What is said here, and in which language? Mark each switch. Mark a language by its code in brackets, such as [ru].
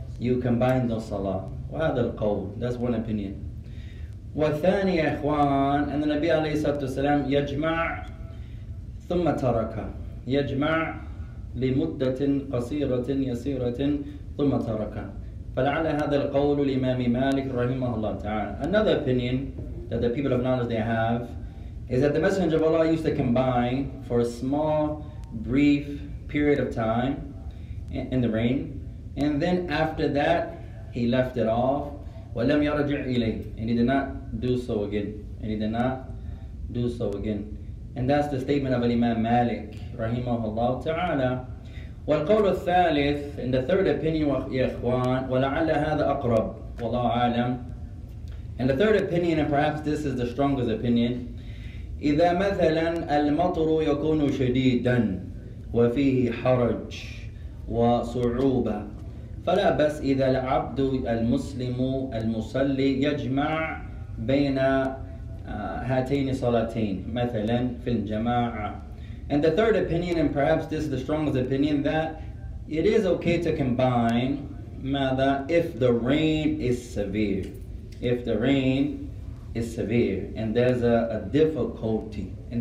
[en] You combine the salah. [ar] وهذا القول. [en] That's one opinion. [ar] والثاني يا إخوان أن النبي عليه الصلاة والسلام يجمع ثم ترك يجمع لمدة قصيرة يسيرة ثم ترك. فلعل هذا القول الإمام مالك رحمه الله تعالى. [en] Another opinion that the people of knowledge they have is that the Messenger of Allah used to combine for a small, brief period of time in the rain, and then after that he left it off. [ar] ولم يرجع إليه. [en] And he did not do so again. And that's the statement of Imam Malik, rahimahullah ta'ala. [ar] والقول الثالث, [en] in the third opinion, [ar] يا إخوان, ولعل هذا أقرب, والله أعلم. [en] And the third opinion, and perhaps this is the strongest opinion, [ar] إذا مثلا المطر يكون شديدا وفيه حرج وصعوبة فلا بس إذا العبد المسلم المصلي يجمع بين هاتين صلاتين مثلا في الجماعة. [en] And the third opinion, and perhaps this is the strongest opinion, that it is okay to combine ماذا if the rain is severe. If the rain is severe and there's a difficulty.